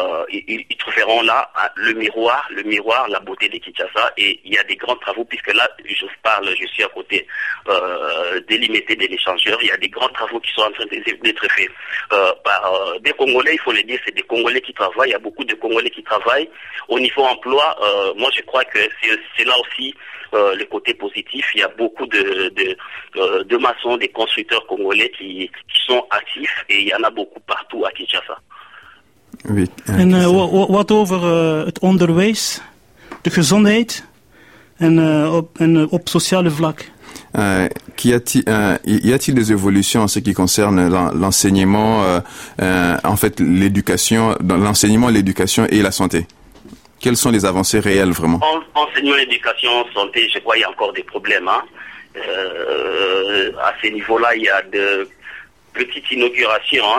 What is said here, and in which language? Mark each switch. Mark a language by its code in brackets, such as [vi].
[fr] Ils trouveront là le miroir, la beauté de Kinshasa, et il y a des grands travaux, puisque là, je suis à côté délimité de l'échangeur, il y a des grands travaux qui sont en train d'être faits par des Congolais, il faut le dire, c'est des Congolais qui travaillent, il y a beaucoup de Congolais qui travaillent. Au niveau emploi, moi je crois que c'est là aussi le côté positif, il y a beaucoup de maçons, des constructeurs congolais qui sont actifs, et il y en a beaucoup partout à Kinshasa. Oui. [nl] En wat over het onderwijs, de gezondheid en op sociale vlak? [fr] Y a-t-il des évolutions en ce qui concerne l'enseignement, l'éducation, dans l'enseignement, l'éducation et la santé? Quelles sont les avancées réelles vraiment? Enseignement, éducation, santé, je crois qu'il y a encore des problèmes. Hein. À ces niveaux-là, il y a de petites inaugurations.